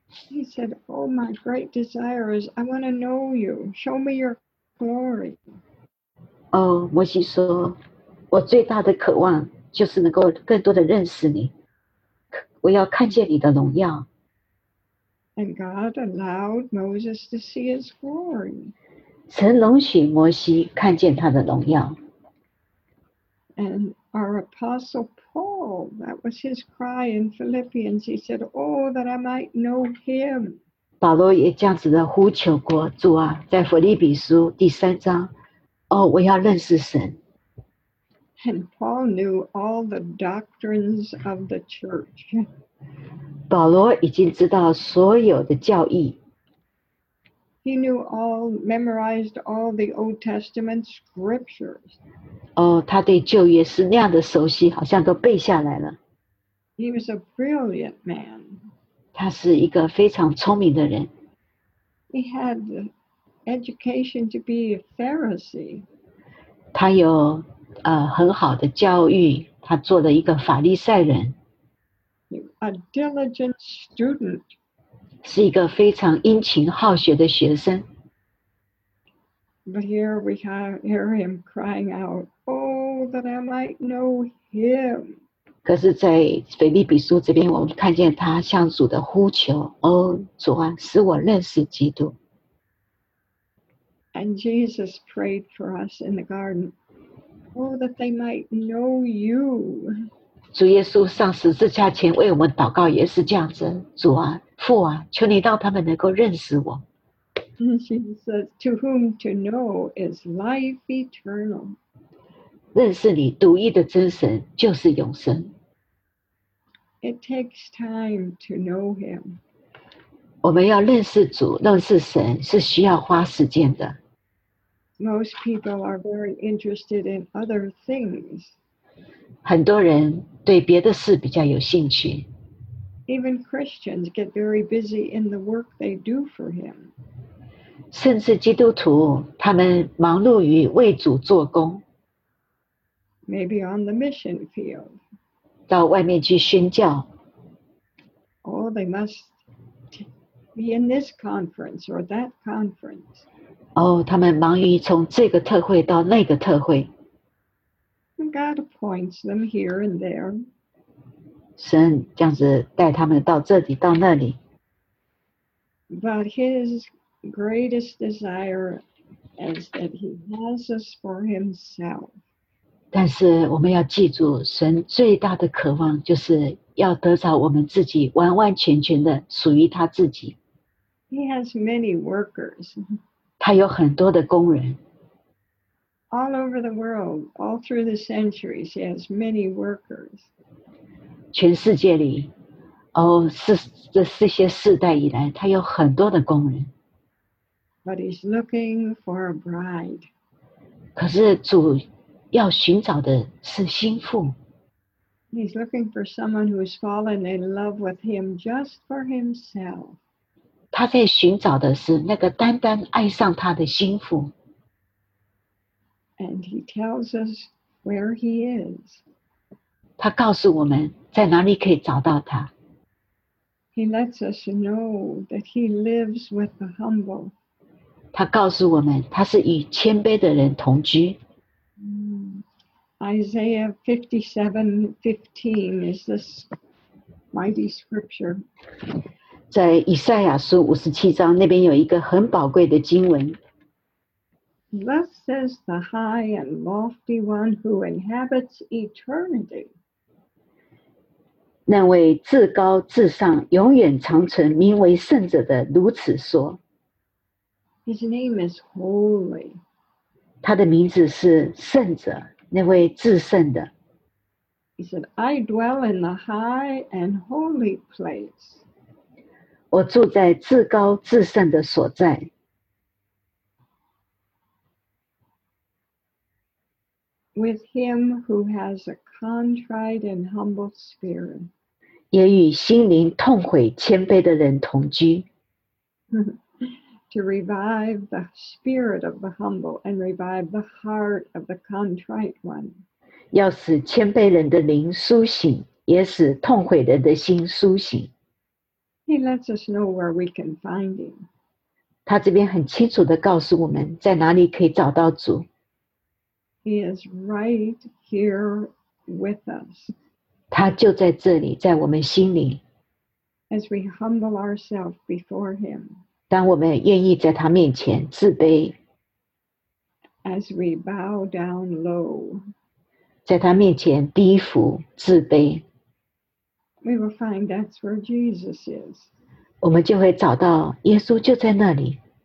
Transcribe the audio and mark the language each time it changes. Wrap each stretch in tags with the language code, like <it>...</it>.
<en>He said, "Oh, my great desire is I want to know you. Show me your glory."</en> <zh>哦，摩西说，我最大的渴望就是能够更多的认识你，我要看见你的荣耀。</zh> <en>And God allowed Moses to see his glory.</en> <zh>神容许摩西看见他的荣耀。</zh> <en>And our apostle Paul, that was his cry in Philippians. He said, "Oh, that I might know him."</en> <zh>保罗也这样子的呼求过，主啊，在腓立比书第三章，哦，我要认识神。</zh> <en>And Paul knew all the doctrines of the church.</en> <zh>保罗已经知道所有的教义。</zh> <en>He knew all, memorized all the Old Testament scriptures.</en> <zh>哦，他对旧约是那样的熟悉，好像都背下来了。</zh> <en>He was a brilliant man.</en> <zh>他是一个非常聪明的人。</zh> <en>He had education to be a Pharisee.</en> <zh>他有很好的教育，他做了一个法利赛人。</zh> <en>A diligent student.</en> <zh>是一个非常殷勤好学的学生。</zh> <en>But here we hear him crying out, "Oh, that I might know him."</en> <zh>可是在腓立比书这边，我们看见他向主的呼求，哦，主啊，使我认识基督。</zh> <en>And Jesus prayed for us in the garden, "Oh, that they might know you."</en> <zh>主耶稣上十字架前为我们祷告也是这样子，主啊，父啊，求你让他们能够认识我。</zh> <en>Jesus says, "To whom to know is life eternal."</en> <zh>认识你独一的真神就是永生。</zh> <en>It takes time to know him.</en> <zh>我们要认识主，认识神是需要花时间的。</zh> <en>Most people are very interested in other things.</en> <zh>很多人对别的事比较有兴趣。</zh> <en>Even Christians get very busy in the work they do for him.</en> <zh>甚至基督徒他们忙碌于为主做工。</zh> <en>Maybe on the mission field.</en> <zh>到外面去宣教。</zh> <en>Oh, they must be in this conference or that conference.</en> <zh>哦，他们忙于从这个特会到那个特会。</zh> <en>God appoints them here and there.</en> <zh>神这样子带他们到这里到那里。</zh> <en>But his greatest desire is that he has us for himself.</en> <zh>但是我们要记住，神最大的渴望就是要得着我们自己，完完全全的属于他自己。</zh> <en>He has many workers.</en> <zh>他有很多的工人。</zh> <en>All over the world, all through the centuries, he has many workers.</en> <zh>全世界里，哦，这些世代以来，他有很多的工人。</zh> <en>But he's looking for a bride.</en> <zh>可是主要寻找的是心腹。</zh> <en>He's looking for someone who's fallen in love with him just for himself.</en> <zh>他在寻找的是那个单单爱上他的心腹。</zh> <en>And he tells us where he is.</en> <zh>他告诉我们在哪里可以找到他。</zh> <en>He lets us know that he lives with the humble.</en> <zh>他告诉我们他是与谦卑的人同居。</zh> <en>Isaiah 57:15 is this mighty scripture.</en> <zh>在以赛亚书五十七章那边有一个很宝贵的经文。</zh> <en>Thus says the high and lofty one who inhabits eternity.</en> <zh>那位至高至上、永远长存、名为圣者的如此说。</zh> <en>His name is holy.</en> <zh>他的名字是圣者。那位至圣的。</zh> <en>He said, I dwell in the high and holy place.</en> <zh>我住在至高至圣的所在。</zh> <en>With him who has a contrite and humble spirit.</en> <zh>也与心灵痛悔谦卑的人同居。</zh> <en>To revive the spirit of the humble and revive the heart of the contrite one.</en> <zh>要使谦卑人的灵苏醒，也使痛悔人的心苏醒。</zh> <en>He lets us know where we can find him.</en> <zh>他这边很清楚地告诉我们在哪里可以找到主。</zh> <en>He is right here with us.</en> <zh>他就在这里，在我们心里。</zh> <en>As we humble ourselves before him.</en> <zh>当我们愿意在他面前自卑</zh> <en>，as we bow down low，</en> <zh>在他面前低伏自卑</zh> <en>，we will find that's where Jesus is。</en> <zh>我们就会找到耶稣就在那里。</zh>